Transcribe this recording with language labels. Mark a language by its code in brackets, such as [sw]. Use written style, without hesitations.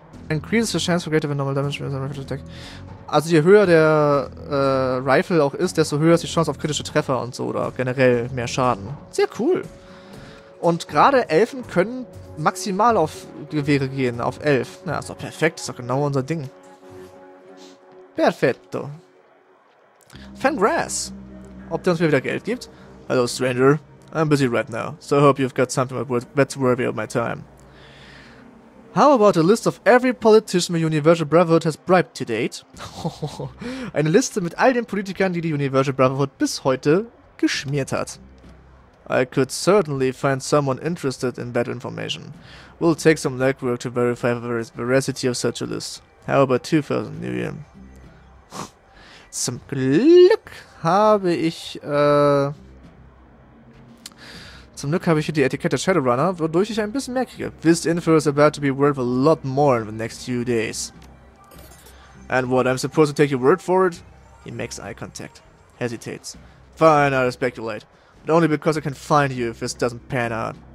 [en] Increases the chance for greater than normal damage with a rifle attack. [de] Also je höher der Rifle auch ist, desto höher ist die Chance auf kritische Treffer und so oder generell mehr Schaden. Sehr cool. Und gerade Elfen können maximal auf Gewehre gehen, auf 11. Na, ist doch perfekt, ist doch genau unser Ding. Perfetto. Fangrass. Ob der uns wieder Geld gibt? [en] Hello, Stranger. I'm busy right now, so I hope you've got something that's worthy of my time. How about a list of every politician the Universal Brotherhood has bribed to date? [de] Eine Liste mit all den Politikern, die Universal Brotherhood bis heute geschmiert hat. [en] I could certainly find someone interested in that information. We'll take some legwork to verify the veracity of such a list. How about 2000 New Year? [de] Zum Glück habe ich, zum Glück habe ich hier die Etikette Shadowrunner, wodurch ich ein bisschen mehr kriege. [en] This info is about to be worth a lot more in the next few days. And what, I'm supposed to take your word for it? He makes eye contact. Hesitates. Fine, I'll speculate. But only because I can find you if this doesn't pan out.